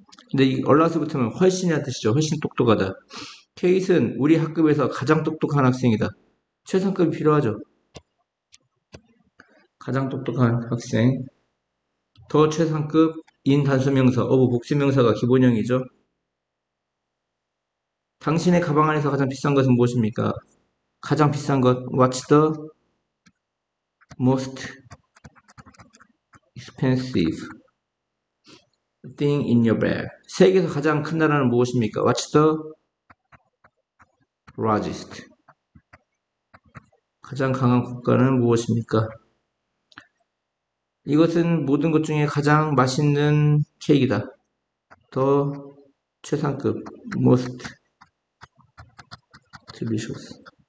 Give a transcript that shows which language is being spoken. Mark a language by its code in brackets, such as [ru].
[ko] 근데 이 얼라스 붙으면 훨씬이라는 뜻이죠. 훨씬 똑똑하다. 케잇은 우리 학급에서 가장 똑똑한 학생이다. 최상급이 필요하죠. 가장 똑똑한 학생. 더 최상급 인 단수명사. 어부 복수명사가 기본형이죠. 당신의 가방 안에서 가장 비싼 것은 무엇입니까? 가장 비싼 것. [en] What's the most expensive thing in your bag? [ko] 세계에서 가장 큰 나라는 무엇입니까? [en] What's the largest? [ko] 가장 강한 국가는 무엇입니까? 이것은 모든 것 중에 가장 맛있는 케이크다. 더 최상급. [en] Most delicious.